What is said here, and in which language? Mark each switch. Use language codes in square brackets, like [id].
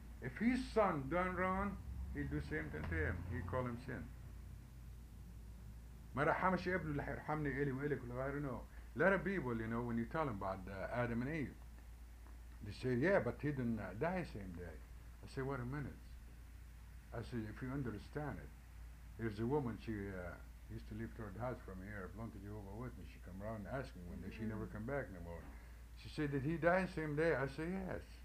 [en] If his son done wrong, he'll do same thing to him. He call him sin. [ar] ما رحمش ابنه اللي يرحمني إلي وإلك ولا غيره. [en] No. Lot of people, you know, when you tell them about Adam and Eve, they say, yeah, but he didn't die same day. I say, wait a minute. I say, if you understand it, there's a woman, she used to live toward the house from here, belonged to Jehovah's Witness. She come around asking one day. Mm-hmm. She never come back no more. She said, did he die the same day? I say, yes.